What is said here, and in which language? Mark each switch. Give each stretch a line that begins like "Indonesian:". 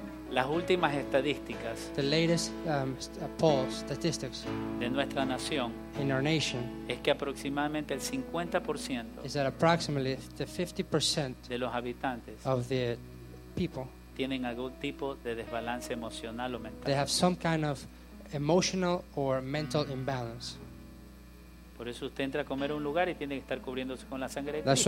Spanish: Las últimas estadísticas,
English: the latest polls, statistics,
Spanish: de nuestra nación,
English: in our nation,
Spanish: es que aproximadamente el 50%,
English: is that approximately the 50%
Spanish: de los habitantes,
English: of the people,
Spanish: tienen algún tipo de desbalance emocional o mental.
English: They have some kind of emotional or mental imbalance.
Spanish: Por eso usted entra a comer a un lugar y tiene que estar cubriéndose con la sangre.